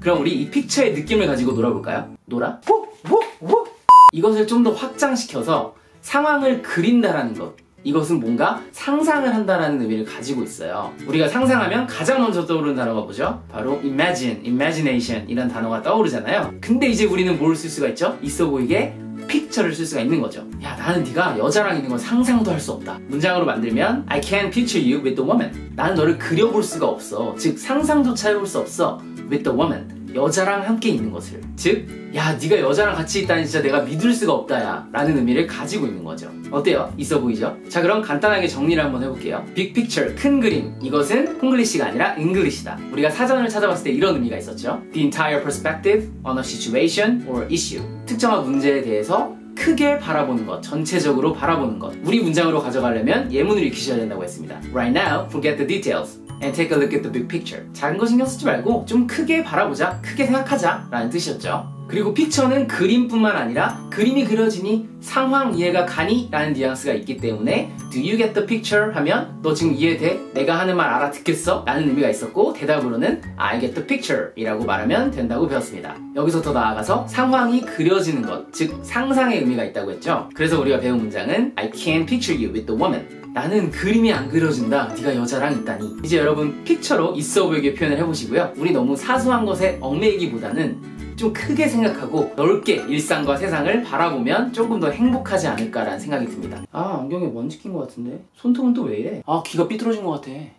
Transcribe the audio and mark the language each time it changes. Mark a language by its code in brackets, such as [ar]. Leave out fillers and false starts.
[ko] 그럼 우리 이 picture의 느낌을 가지고 놀아볼까요? 놀아? 이것을 좀 더 확장시켜서 상황을 그린다라는 것, 이것은 뭔가 상상을 한다라는 의미를 가지고 있어요. 우리가 상상하면 가장 먼저 떠오르는 단어가 뭐죠? 바로 imagine, imagination 이런 단어가 떠오르잖아요. 근데 이제 우리는 뭘 쓸 수가 있죠? 있어 보이게 picture를 쓸 수가 있는 거죠. 야, 나는 네가 여자랑 있는 걸 상상도 할 수 없다. 문장으로 만들면 [en] I can't picture you with the woman. [ko] 나는 너를 그려볼 수가 없어. 즉, 상상조차 해볼 수 없어. [en] With the woman. [ko] 여자랑 함께 있는 것을. 즉, 야, 네가 여자랑 같이 있다니 진짜 내가 믿을 수가 없다야 라는 의미를 가지고 있는 거죠. 어때요? 있어 보이죠? 자, 그럼 간단하게 정리를 한번 해볼게요. Big picture, 큰 그림. 이것은 콩글리시가 아니라 잉글리시다. 우리가 사전을 찾아봤을 때 이런 의미가 있었죠. [en] The entire perspective on a situation or issue. [ko] 특정한 문제에 대해서 크게 바라보는 것, 전체적으로 바라보는 것. 우리 문장으로 가져가려면 예문을 익히셔야 된다고 했습니다. [en] Right now, forget the details. And take a look at the big picture. [ko] 작은 거 신경 쓰지 말고 좀 크게 바라보자, 크게 생각하자 라는 뜻이었죠. 그리고 픽처는 그림뿐만 아니라 그림이 그려지니 상황 이해가 가니? 라는 뉘앙스가 있기 때문에 [en] Do you get the picture? [ko] 하면 너 지금 이해돼? 내가 하는 말 알아듣겠어? 라는 의미가 있었고 대답으로는 [en] I get the picture [ko] 이라고 말하면 된다고 배웠습니다. 여기서 더 나아가서 상황이 그려지는 것, 즉 상상의 의미가 있다고 했죠. 그래서 우리가 배운 문장은 [en] I can picture you with the woman. [ko] 나는 그림이 안 그려진다. 네가 여자랑 있다니. 이제 여러분 픽처로 있어 보이게 표현을 해보시고요. 우리 너무 사소한 것에 얽매이기보다는 좀 크게 생각하고 넓게 일상과 세상을 바라보면 조금 더 행복하지 않을까라는 생각이 듭니다. 아, 안경에 먼지 낀 것 같은데? 손톱은 또 왜 이래? 아, 귀가 삐뚤어진 것 같아.